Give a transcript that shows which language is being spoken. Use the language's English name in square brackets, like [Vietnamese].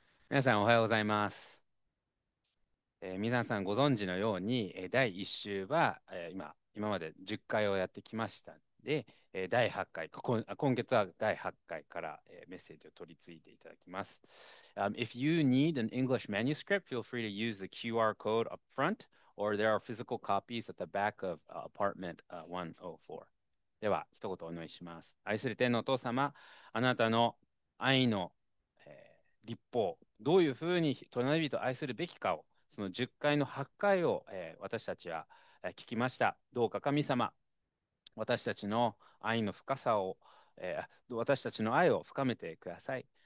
[Japanese] 皆さんおはようございます。皆さんご存知のように、第1週は、今まで10回をやってきましたので、第8回、今月は第8回から、メッセージを取り継いでいただきます。 [English] If you need an English manuscript, feel free to use the QR code up front, or there are physical copies at the back of apartment 104. [Japanese] では、一言お願いします。愛する天のお父様、あなたの愛の立法、どういうふうに隣人を愛するべきかを、その10回の8回を、私たちは聞きました。どうか神様、私たちの愛の深さを、私たちの愛を深めてください。